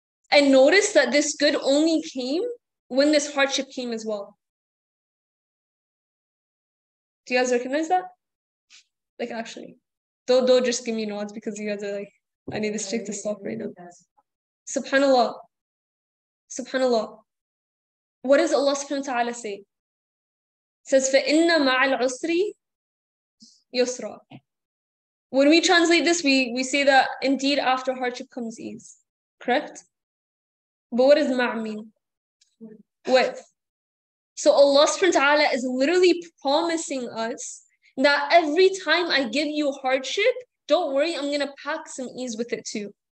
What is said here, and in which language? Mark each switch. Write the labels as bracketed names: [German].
[English] And notice that this good only came when this hardship came as well. Do you guys recognize that? Like, actually. Don't just give me nods because you guys are like, I need this chick to stop right now. Subhanallah. Subhanallah. What does Allah subhanahu wa ta'ala say? It says, [Arabic] فَإِنَّ مَعَ الْعُسْرِ يُسْرًا. [English] When we translate this, we say that indeed after hardship comes ease. Correct? But what does ma' mean? With. So Allah subhanahu wa ta'ala is literally promising us that every time I give you hardship, don't worry, I'm going to pack some ease with it too.